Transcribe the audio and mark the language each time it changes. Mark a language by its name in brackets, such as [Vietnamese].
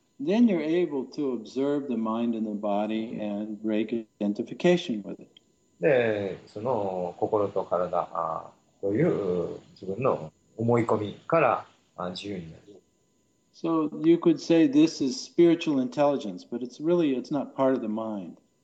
[English] then you're able to observe the mind and the body and break identification with it. [Japanese] で、その心と体という自分の思い込みから自由になる。 [English] So you could say this is spiritual intelligence, but it's really, it's not part of the mind.